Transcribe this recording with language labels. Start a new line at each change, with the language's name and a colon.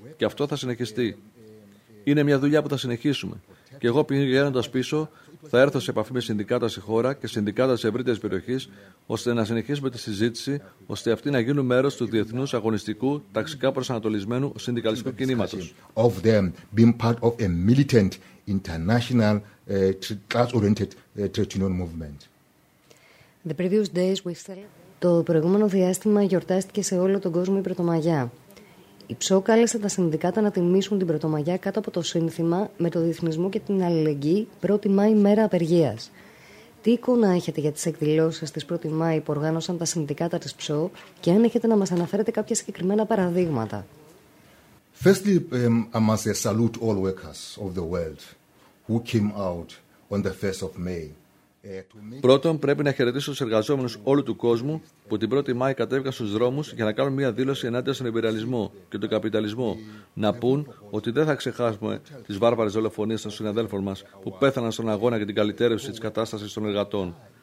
Greek: Και αυτό θα συνεχιστεί. Είναι μια δουλειά που θα συνεχίσουμε. Και εγώ πηγαίνοντας πίσω, θα έρθω σε επαφή με συνδικάτα στη χώρα και συνδικάτα της ευρύτερης περιοχής, ώστε να συνεχίσουμε τη συζήτηση, ώστε αυτοί να γίνουν μέρος του διεθνούς αγωνιστικού, ταξικά προσανατολισμένου συνδικαλιστικού κινήματος.
English: Of them being part of a militant international class-oriented trade union movement. The previous days we said...
Greek: Το προηγούμενο διάστημα γιορτάστηκε σε όλο τον κόσμο η Πρωτομαγιά. Η ΨΟ κάλεσε τα συνδικάτα να τιμήσουν την Πρωτομαγιά κάτω από το σύνθημα με το διεθνισμό και την αλληλεγγύη 1η Μάη μέρα απεργίας. Τι εικόνα έχετε για τις εκδηλώσεις της 1η Μάη που οργάνωσαν τα συνδικάτα της ΨΟ και αν έχετε να μας αναφέρετε κάποια συγκεκριμένα παραδείγματα?
English: Firstly, I must salute all workers of the world who came out on the 1st of May.
Greek: Πρώτον, πρέπει να χαιρετήσω τους εργαζόμενους όλου του κόσμου που την 1η Μάη κατέβηκαν στους δρόμους για να κάνουν μια δήλωση ενάντια στον υπεραλισμό και τον καπιταλισμό. Να πούν ότι δεν θα ξεχάσουμε τις βάρβαρες δολοφονίες των συναδέλφων μας που πέθαναν στον αγώνα για την καλυτέρευση της κατάστασης των εργατών.